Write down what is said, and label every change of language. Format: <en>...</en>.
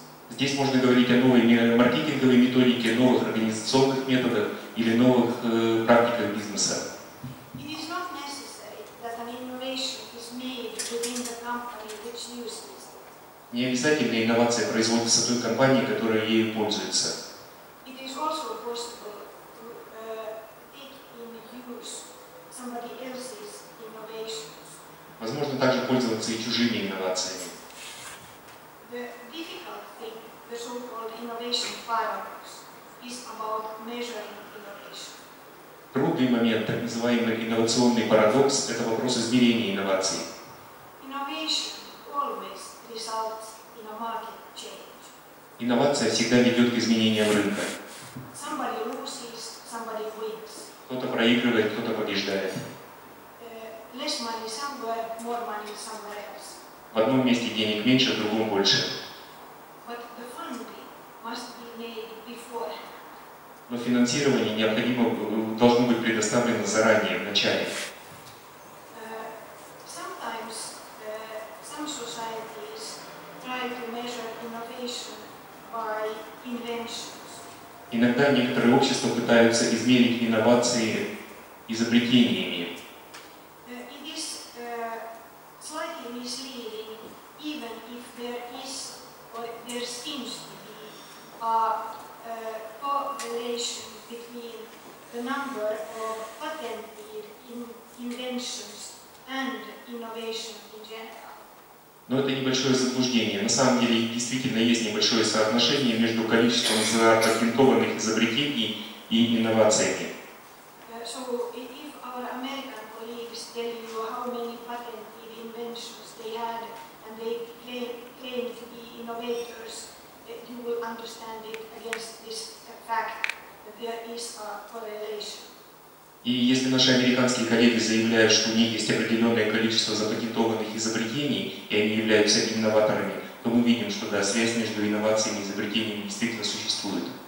<ru>Здесь можно говорить о новой маркетинговой методике, новых организационных методах или новых практиках бизнеса.</ru> <en>It is not necessary that an innovation is made within the company which uses it.</en> <ru>Не обязательно инновация производится в той компании, которая ею пользуется.</ru> <en>It is also possible to take in use somebody else's innovations.</en> <ru>Возможно также пользоваться и чужими инновациями.</ru> <en>The difficult thing, the so-called innovation paradox, is about measuring innovation.</en> <ru>Трудный момент, так называемый инновационный парадокс, это вопрос измерения инноваций.</ru> <en>Innovation always results in a market change.</en> <ru>Инновация всегда ведет к изменениям рынка.</ru> <en>Somebody loses, somebody wins.</en> <ru>Кто-то проигрывает, кто-то побеждает.</ru> <en>Less money somewhere, more money somewhere else.</en> <ru>В одном месте денег меньше, в другом больше.</ru> <en>But the funding must be made before.</en> <ru>Но финансирование необходимо должно быть предоставлено заранее, в начале.</ru> <en>Sometimes some societies try to measure innovation by inventions.</en> <ru>Иногда некоторые общества пытаются измерить инновации изобретениями.</ru> <en>It is slightly misleading, even if there is or there seems to be correlation between the number of patented inventions and innovation in general.</en> <ru>Но это небольшое заблуждение. На самом деле действительно есть небольшое соотношение между количеством запатентованных изобретений и инновациями.</ru> <en>So if our American colleagues tell you how many patented inventions they had and they claim to be innovators, you will understand it against this fact that there is a correlation.</en> <ru>И если наши американские коллеги заявляют, что у них есть определенное количество запатентованных изобретений, и они являются инноваторами, то мы видим, что да, связь между инновациями и изобретениями действительно существует.</ru>